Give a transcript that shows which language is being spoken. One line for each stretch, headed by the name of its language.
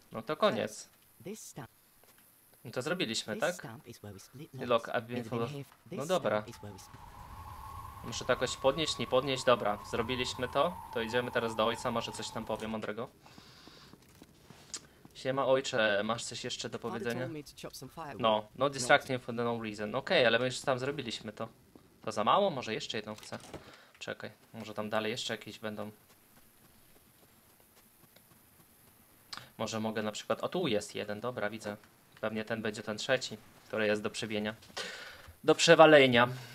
Polish: No to koniec. No to zrobiliśmy, tak?
English: Lock, I've been full of...
Polish: No dobra. Muszę to jakoś podnieść, nie podnieść. Dobra, zrobiliśmy to. To idziemy teraz do ojca, może coś tam powiem mądrego. Siema ojcze, masz coś jeszcze do powiedzenia?
English: No, no distracting for no reason.
Polish: Okej, ale my już tam zrobiliśmy to. To za mało? Może jeszcze jedną chcę? Czekaj, może tam dalej jeszcze jakieś będą. Może mogę na przykład... O, tu jest jeden, dobra, widzę. Pewnie ten będzie ten trzeci, który jest do przewienia. Do przewalenia.